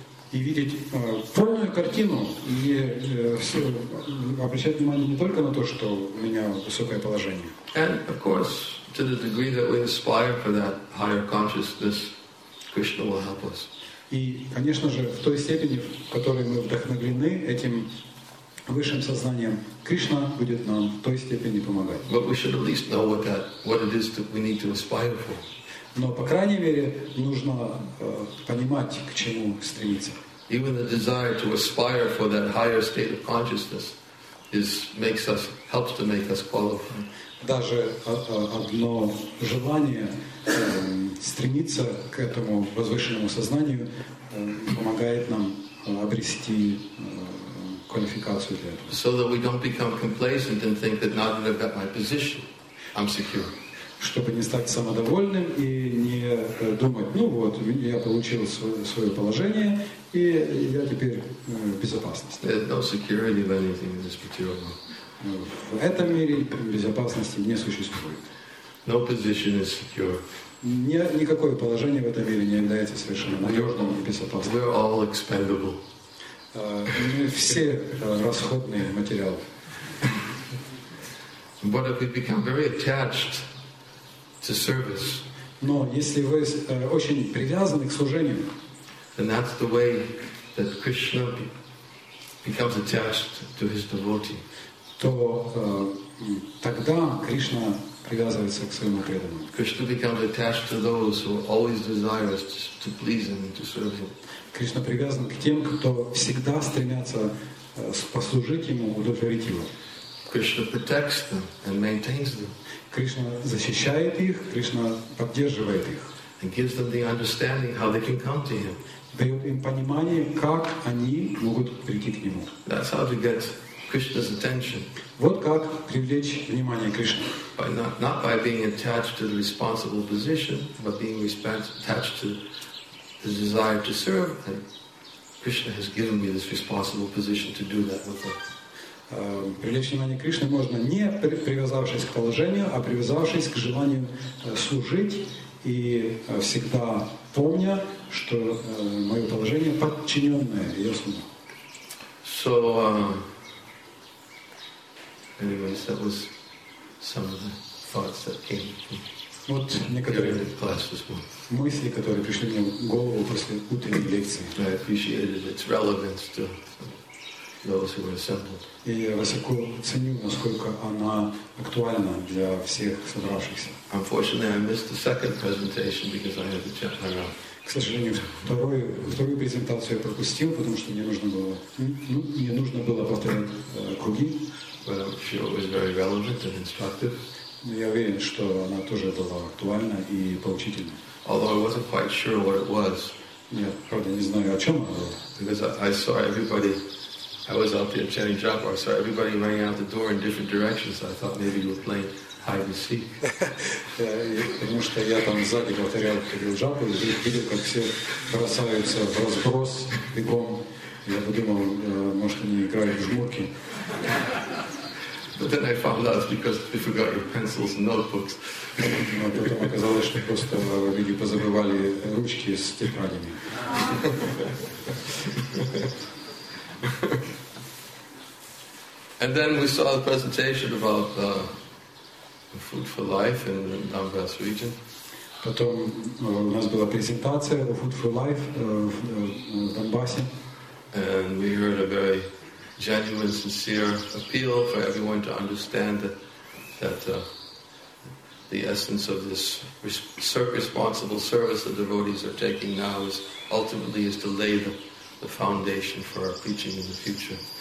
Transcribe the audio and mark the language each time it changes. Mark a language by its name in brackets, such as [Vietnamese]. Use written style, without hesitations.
[Russian] И видеть полную картину и обращать внимание не только на то, что у меня высокое положение. [English] To the degree that we aspire for that higher consciousness, Krishna will help us. [Russian] И, конечно же, в той степени, в которой мы вдохновлены этим высшим сознанием, Кришна будет нам в той степени помогать. [English] But we should at least know what it is that we need to aspire for. [Russian] Но по крайней мере нужно понимать, к чему стремиться. [English] Even the desire to aspire for that higher state of consciousness helps to make us qualified. [Russian] Даже одно желание стремиться к этому возвышенному сознанию помогает нам обрести квалификацию для этого. [English] So that we don't become complacent and think that now that I've got my position, I'm secure. [Russian] Чтобы не стать самодовольным и не думать, ну вот, я получил свое положение, и я теперь в безопасности. [English] There's no security of anything in this material world. [Russian] В этом мире безопасности не существует. [English] No position is secure. [Russian] Никакое положение в этом мире не является совершенно надежным и безопасным. [English] We're all expendable. [Russian] Мы все расходные материалы. [English] But if we become very attached to service, [Russian] но если вы очень привязаны к служению, [English] then that's the way that Krishna becomes attached to his devotee. [Russian] То тогда Кришна привязывается к своему преданному. [English] Krishna becomes attached to those who are always desirous to please him and to serve him. [Russian] Кришна привязан к тем, кто всегда стремятся послужить ему, удовлетворить его. [English] Krishna protects them and maintains them. [Russian] Кришна защищает их, Кришна поддерживает их. [English] And gives them the understanding how they can come to him. [Russian] Дает им понимание, как они могут прийти к нему. [English] That's how to get Krishna's attention. [Russian] Вот как привлечь внимание Кришны. [English] By not by being attached to the responsible position, but being attached to the desire to serve. And Krishna has given me this responsible position to do that with him. [Russian] Привлечь внимание Кришны можно не привязавшись к положению, а привязавшись к желанию служить. И всегда помня, что мое положение подчиненное, я служу. [English] So, anyways, that was some of the thoughts that came. [Russian] Вот некоторые мысли, которые пришли мне в голову после утренней лекции. [English] I appreciated its relevance to those who were assembled. [Russian] И я высоко ценю, насколько она актуальна для всех собравшихся. [English] Unfortunately, I missed the second presentation because I had to check my mail. [Russian] К сожалению, вторую презентацию я пропустил, потому что мне нужно было повторять круги. [English] But I'm sure it was very relevant and instructive. [Russian] Но я уверен, что она тоже была актуальна и поучительна. [English] Although I wasn't quite sure what it was. [Russian] Нет, правда, не знаю, о чем она была. [English] Because I saw everybody. I was out there chanting Japa, so everybody running out the door in different directions. I thought maybe you were playing hide and seek. [Russian] Потому что я там сзади повторял Джапу и видел, как все бросаются в разброс бегом. Я подумал, может они играют в жмурки. [English] But then I found out because they forgot your pencils and notebooks. [Russian] Но потом оказалось, что просто люди позабывали ручки с тетрадями. [English] And then we saw the presentation about food for life in the Donbass region. [Russian] Потом у нас была презентация о food for life в Донбассе. [English] And we heard a very genuine, sincere appeal for everyone to understand that the essence of this responsible service the devotees are taking now is ultimately is to lay the foundation for our preaching in the future.